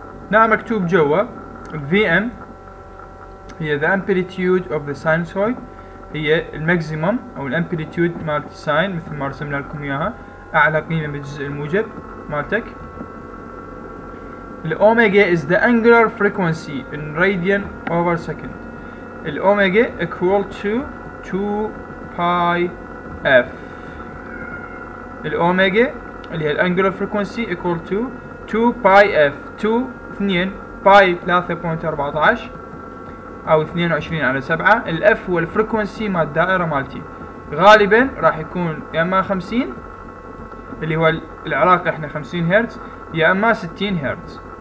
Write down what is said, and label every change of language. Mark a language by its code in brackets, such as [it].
[ar] نعم مكتوب جوا Vm هي [en] the amplitude of the sinusoid، [ar] هي الماكسيمم او الامبليتيود مال الساين مثل ما رسمنا لكم اياها، اعلى قيمه بالجزء الموجب مالتك. [en] الأوميجا is the angular frequency in radian over second. الأوميجا equal to 2 pi f. [ar] الأوميجا اللي هي الأنجلر فريكونسي [en] equal to 2 pi f. [ar] 2 pi 3.14 أو 22 على 7. الاف هو الفريكونسي مع الدائرة مالتي. غالبا راح يكون يا أما 50 اللي هو العراق احنا 50 هرتز، يا أما 60 هرتز.